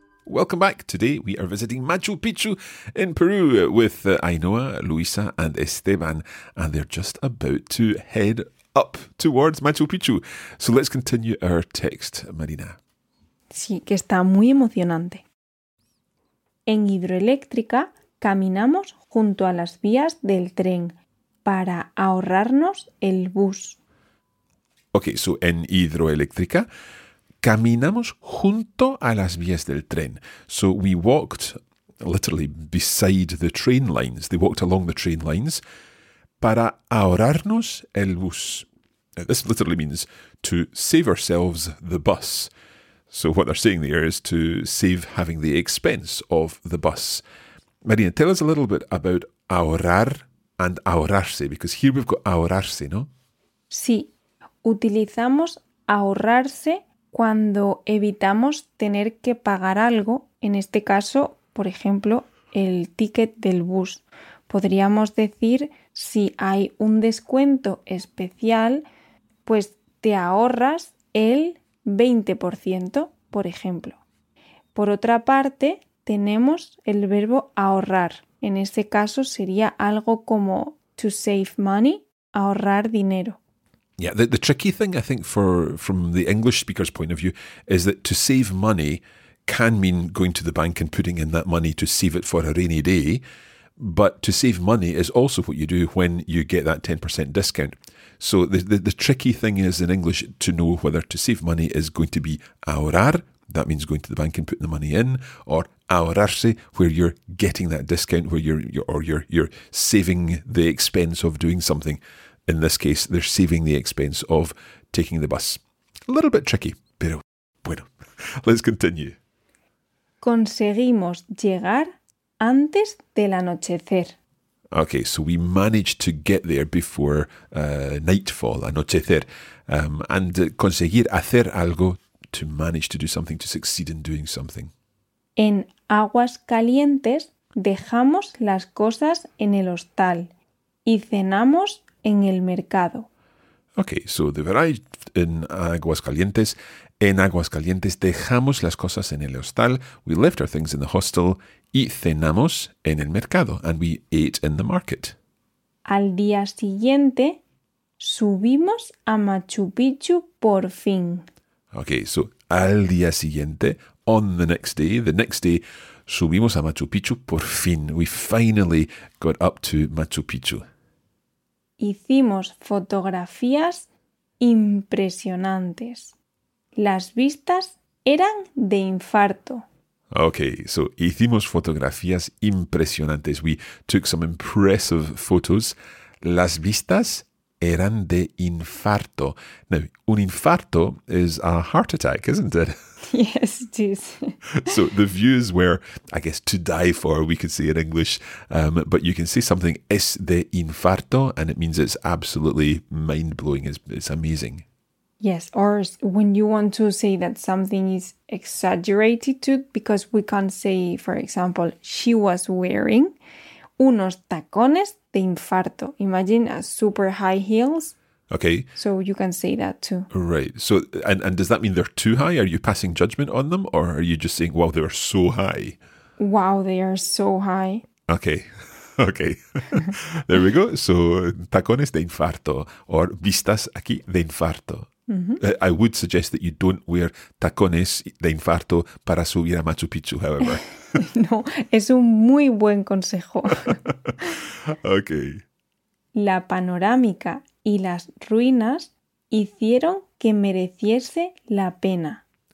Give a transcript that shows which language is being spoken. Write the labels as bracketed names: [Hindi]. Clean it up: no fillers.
[English] Welcome back. Today we are visiting Machu Picchu in Peru with Ainhoa, Luisa and Esteban, and they're just about to head up towards Machu Picchu. So let's continue our text, Marina. [Spanish] Sí, que está muy emocionante. En Hidroeléctrica caminamos junto a las vías del tren para ahorrarnos el bus. [English] Ok, so [Spanish] en hidroeléctrica, caminamos junto a las vías del tren. [English] So we walked literally beside the train lines. They walked along the train lines [Spanish] para ahorrarnos el bus. [English] This literally means to save ourselves the bus. So what they're saying there is to save having the expense of the bus. Marina, tell us a little bit about ahorrar and ahorrarse, because here we've got ahorrarse, ¿no? [Spanish] Sí, utilizamos ahorrarse cuando evitamos tener que pagar algo, en este caso, por ejemplo, el ticket del bus. Podríamos decir, si hay un descuento especial, pues te ahorras el 20%, por ejemplo. Por otra parte, tenemos el verbo ahorrar. En ese caso sería algo como [English] to save money, [Spanish] ahorrar dinero. [English] Yeah, the tricky thing I think from the English speaker's point of view is that to save money can mean going to the bank and putting in that money to save it for a rainy day. But to save money is also what you do when you get that 10% discount. So the tricky thing is in English to know whether to save money is going to be ahorrar, that means going to the bank and putting the money in, or ahorrarse, where you're getting that discount, where you're saving the expense of doing something. In this case, they're saving the expense of taking the bus. A little bit tricky, [Spanish] pero bueno. [English] Let's continue. [Spanish] Conseguimos llegar antes del anochecer. [English] Okay, so we managed to get there before nightfall, anochecer. And [Spanish] conseguir hacer algo, [English] to manage to do something, to succeed in doing something. [Spanish] En aguas calientes dejamos las cosas en el hostal y cenamos en el mercado. [English] Okay, so they've arrived in aguas calientes. [Spanish] En aguas calientes dejamos las cosas en el hostal. [English] We left our things in the hostel. [Spanish] Y cenamos en el mercado, [English] and we ate in the market. [Spanish] Al día siguiente, subimos a Machu Picchu por fin. [English] Okay, so [Spanish] al día siguiente, [English] on the next day, [Spanish] subimos a Machu Picchu por fin. [English] We finally got up to Machu Picchu. [Spanish] Hicimos fotografías impresionantes. Las vistas eran de infarto. [English] Okay, so [Spanish] hicimos fotografías impresionantes. [English] We took some impressive photos. [Spanish] Las vistas eran de infarto. [English] Now, un infarto is a heart attack, isn't it? Yes, it is. So the views were, I guess, to die for, we could say in English. But you can say something es de infarto, and it means it's absolutely mind-blowing. It's amazing. Yes, or when you want to say that something is exaggerated too, because we can't say, for example, she was wearing [Spanish] unos tacones de infarto. [English] Imagine a super high heels. Okay. So you can say that too. Right. So, and does that mean they're too high? Are you passing judgment on them? Or are you just saying, wow, they are so high? Wow, they are so high. Okay. Okay, there we go. [Spanish] So, tacones de infarto, or vistas aquí de infarto. Mm-hmm. [English] I would suggest that you don't wear [Spanish] tacones de infarto para subir a Machu Picchu, [English] however. [Spanish] No, es un muy buen consejo. [English] Okay. [Spanish] La panorámica y las ruinas hicieron que mereciese la pena.